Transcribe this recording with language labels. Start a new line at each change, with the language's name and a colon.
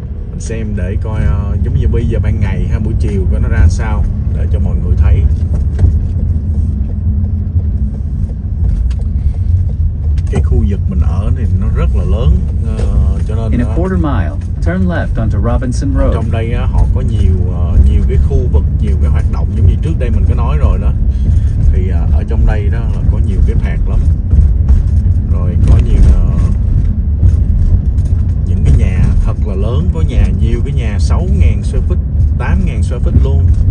Vietnamese: mình xem để coi giống như bây giờ ban ngày ha, buổi chiều coi nó ra sao để cho mọi người thấy. Cái khu vực mình ở thì nó rất là lớn, cho nên
English: in a quarter mile turn left onto Robinson Road.
Vietnamese: Trong đây họ có nhiều cái khu vực, nhiều cái hoạt động giống như trước đây mình có nói rồi đó. Thì ở trong đây đó là có nhiều cái phạt lắm, rồi có nhiều những cái nhà thật là lớn, có nhà nhiều cái nhà 6.000 square feet, 8.000 square feet luôn.